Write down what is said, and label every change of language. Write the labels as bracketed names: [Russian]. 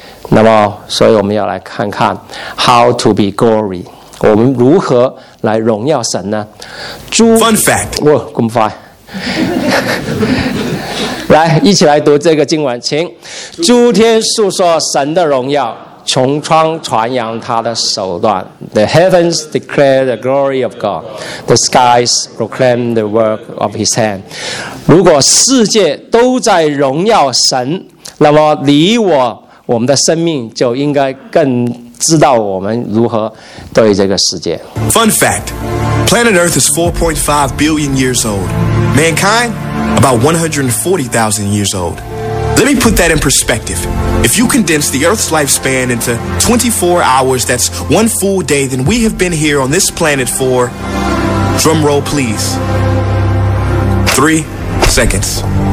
[Chinese] 那么所以我们要来看看 How to be glory，我们如何来荣耀神呢？猪 [English] Fun fact， [Chinese] 哇，这么快来一起来读这个经文，请诸天述说神的荣耀，穹苍传扬他的手段。 [English] The heavens declare the glory of God, the skies proclaim the work of his hand。 [Chinese] 如果世界都在荣耀神，那么你我我们的生命就应该更知道我们如何对这个世界。 [English] Fun fact, planet Earth is 4.5 billion years old. Mankind, about 140,000 years old. Let me put that in perspective. If you condense the Earth's lifespan into 24 hours, that's one full day, then we have been here on this planet for, drum roll please, 3 seconds.